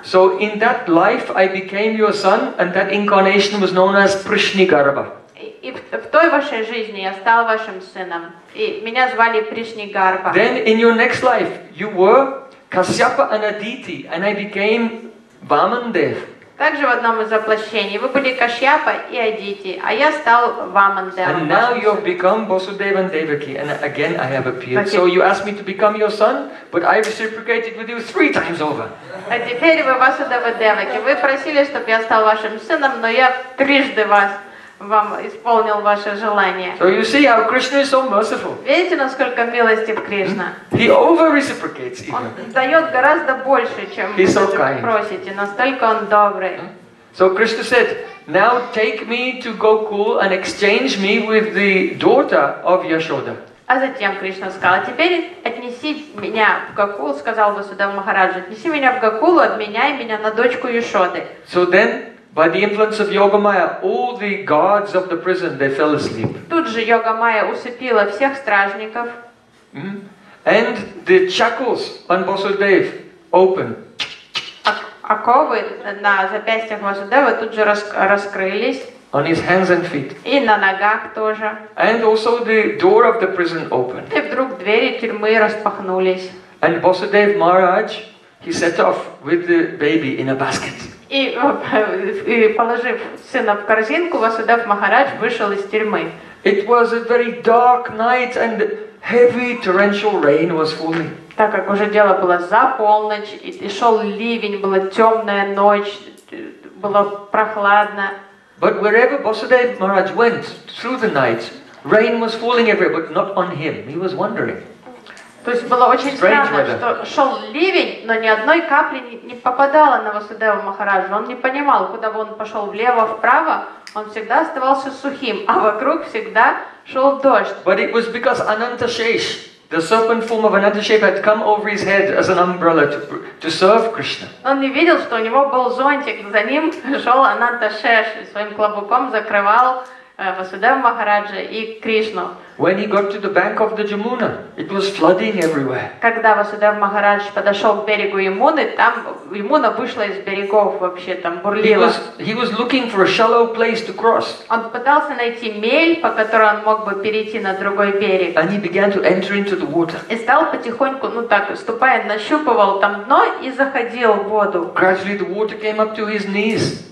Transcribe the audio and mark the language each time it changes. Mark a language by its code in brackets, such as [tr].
[en] So in that life I became your son and that incarnation was known as Prishnigarbha. [ru] И в той вашей жизни я стал вашим сыном. И меня звали Пришнигарбха. [en] Then in your next life you were Kasyapa and Aditi and I became Vamandev. [ru] Также в одном из воплощений вы были Кашьяпа и Адити, а я стал Вамандевом. [en] And now you've become Vasudeva and Devaki, and again I have appeared. Okay. So you asked me to become your son, but I reciprocated with you three times over. [ru] А теперь вы Vasudeva Devaki. Вы просили, чтобы я стал вашим сыном, но я трижды вам исполнил ваше желание. [en] So you see how Krishna is so merciful. [ru] Видите, насколько милостив Кришна? [en] He over-reciprocates even. [ru] Он дает гораздо больше, чем вы so просите. Настолько он добрый. [en] So Krishna said, now take me to Gokul and exchange me with the daughter of Yashoda. [ru] А затем Кришна сказал, теперь отнеси меня в Гокул, сказал Васудева Махараджа, отнеси меня в Гокул, обменяй меня на дочку Яшоды. [en] So then, by the influence of Yogamaya, all the guards of the prison they fell asleep. [ru] Тут же Йогамайя усыпила всех стражников. Mm-hmm. [en] And the shackles on Vasudev opened. [ru] Оковы на запястьях Васудева тут же раскрылись. [en] On his hands and feet. [ru] И на ногах тоже. [en] And also the door of the prison opened. [ru] И вдруг двери тюрьмы распахнулись. [en] And Vasudev Maharaj, he set off with the baby in a basket. [ru] И положив сына в корзинку, Васудев Махарадж вышел из тюрьмы. [en] It was a very dark night and heavy torrential rain was falling. [ru] Так как уже дело было за полночь, и шел ливень, была темная ночь, было прохладно. [en] But wherever Vasudev Maharaj went through the night, rain was falling everywhere, but not on him. He was wondering. [ru] То есть было очень странно, что шел ливень, но ни одной капли не попадало на Васудева Махараджа. Он не понимал, куда бы он пошел, влево, вправо, он всегда оставался сухим, а вокруг всегда шел дождь. [en] But it was because Anantashesh, the serpent form of Anantashesh, had come over his head as an umbrella to serve Krishna. [ru] Он не видел, что у него был зонтик, за ним шел Ананташеш, и своим клобуком закрывал Васудева Махараджа и Кришну. [en] When he got to the bank of the Jamuna, it was flooding everywhere. [ru] Когда Васудев Махарадж подошел к берегу Ямуны, там Ямуна вышла из берегов вообще, там бурлила. [en] He was looking for a shallow place to cross. [ru] Он пытался найти мель, по которой он мог бы перейти на другой берег. [en] And he began to enter into the water. [ru] И стал потихоньку, ну так, ступая, нащупывал там дно и заходил в воду. [en] Gradually the water came up to his knees.